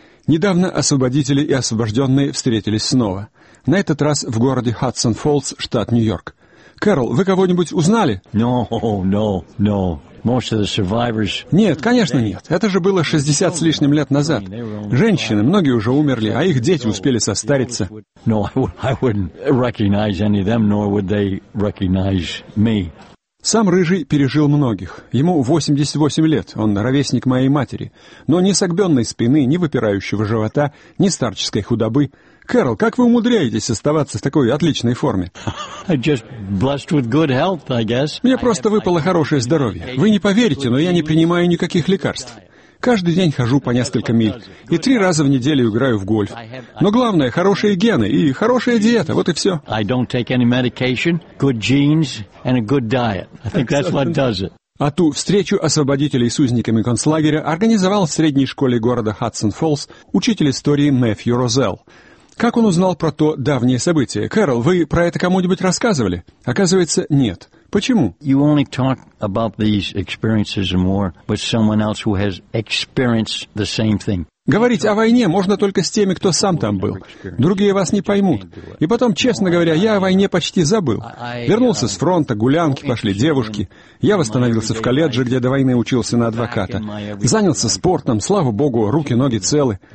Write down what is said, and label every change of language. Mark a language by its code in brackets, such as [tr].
[ru] Недавно освободители и освобожденные встретились снова. На этот раз в городе Хадсон-Фоллс, штат Нью-Йорк. «Кэрол, вы кого-нибудь узнали?» [en] No. Most of the survivors... [ru] «Нет, конечно нет. Это же было 60 с лишним лет назад. Женщины, многие уже умерли, а их дети успели состариться». [en] No, I wouldn't recognize any of them, nor would they recognize me. [ru] Сам Рыжий пережил многих. Ему 88 лет, он ровесник моей матери. Но ни согбенной спины, ни выпирающего живота, ни старческой худобы. Кэрол, как вы умудряетесь оставаться в такой отличной форме? Мне просто выпало хорошее здоровье. Вы не поверите, но я не принимаю никаких лекарств. Каждый день хожу по несколько миль и 3 раза в неделю играю в гольф. Но главное – хорошие гены и хорошая диета, вот и все. [en] I don't take any medication, good genes and a good diet. I think that's what does it. [ru] А ту встречу освободителей с узниками концлагеря организовал в средней школе города Хадсон-Фоллс учитель истории Мэтью Розелл. Как он узнал про то давнее событие? Кэрол, вы про это кому-нибудь рассказывали? Оказывается, нет. Почему? [en] You only talk about these experiences and more with someone else who has experienced the same thing. [ru] Говорить о войне можно только с теми, кто сам там был. Другие вас не поймут. И потом, честно говоря, я о войне почти забыл. Вернулся с фронта, гулянки пошли, девушки. Я восстановился в колледже, где до войны учился на адвоката. Занялся спортом, слава богу, руки-ноги целы.